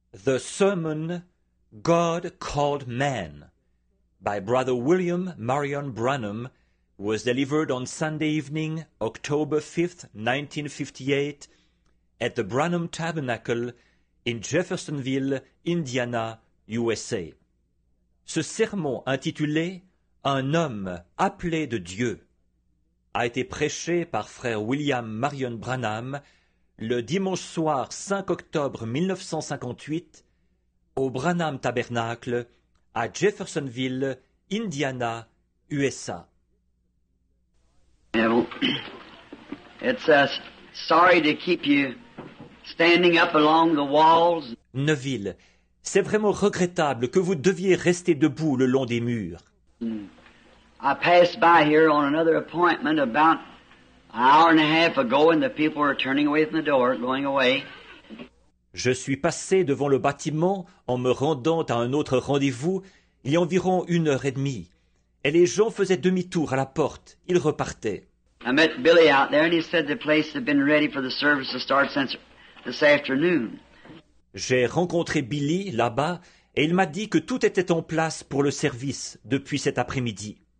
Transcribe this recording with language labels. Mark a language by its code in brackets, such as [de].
[en] The Sermon God Called Man by Brother William Marion Branham was delivered on Sunday evening, October 5, 1958, at the Branham Tabernacle in Jeffersonville, Indiana, USA. [fr] Ce sermon intitulé « Un homme appelé de Dieu » a été prêché par Frère William Marion Branham le dimanche soir 5 octobre 1958 au Branham Tabernacle à Jeffersonville, Indiana, USA. [en] Well, it's sorry to keep you standing up along the walls. [fr] Neville, c'est vraiment regrettable que vous deviez rester debout le long des murs. [en] I passed by here on another appointment about an hour and a half ago, and the people were turning away from the door, going away. [fr] Je suis passé devant le bâtiment en me rendant à un autre rendez-vous il y a environ 1h30, et les gens faisaient demi-tour à la porte. Ils repartaient. [en] I met Billy out there, and he said the place had been ready for the service to start since this afternoon. [fr] J'ai rencontré Billy là-bas, et il m'a dit que tout était en place pour le service depuis cet après-midi.